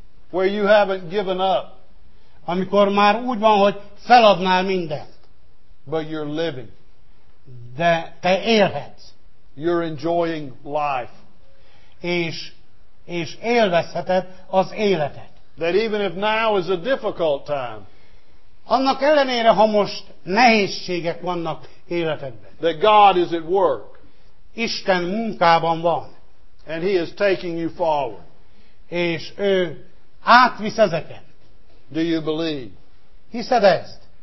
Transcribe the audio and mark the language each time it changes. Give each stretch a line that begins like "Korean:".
English: Where you haven't given up.
Hungarian: Amikor már úgy van, hogy feladnál mindent.
English: But you're living.
Hungarian: De te élhetsz.
English: You're enjoying life.
Hungarian: És élvezheted az életet.
English: That even if now is a difficult time.
Hungarian: Annak ellenére, ha most nehézségek vannak életedben.
English: That God is at work.
Hungarian: Isten munkában van.
English: And he is taking you forward.
Hungarian: És ő átvisz ezeket.
English: Do you believe?
Hungarian: Hiszed ezt?